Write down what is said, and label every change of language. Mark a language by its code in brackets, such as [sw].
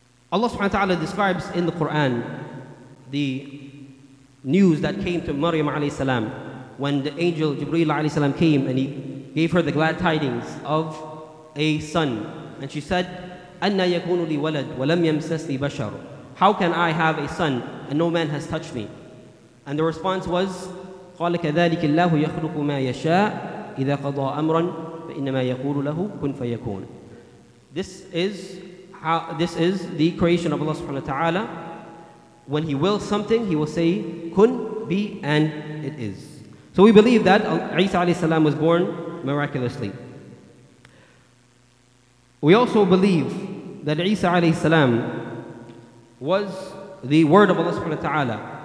[en] Allah subhanahu wa ta'ala describes in the Quran the news that came to Maryam alayhi salam when the angel Jibreel alayhi salam came and he gave her the glad tidings of a son. And she said, [ar] "Anna yakunu li walad wa lam yamsasni bashar." [en] How can I have a son and no man has touched me? And the response was, [ar] قَالَ كَذَلِكِ اللَّهُ يَخْلُقُ مَا يَشَاءُ إِذَا قَضَى أَمْرًا فَإِنَّمَا يَقُولُ لَهُ كُنْ فَيَكُونَ. [en] This is the creation of Allah subhanahu wa ta'ala. When he wills something, he will say, kun, be, and it is. So we believe that Isa alayhi salam was born miraculously. We also believe that Isa alayhi salam was the word of Allah subhanahu wa ta'ala.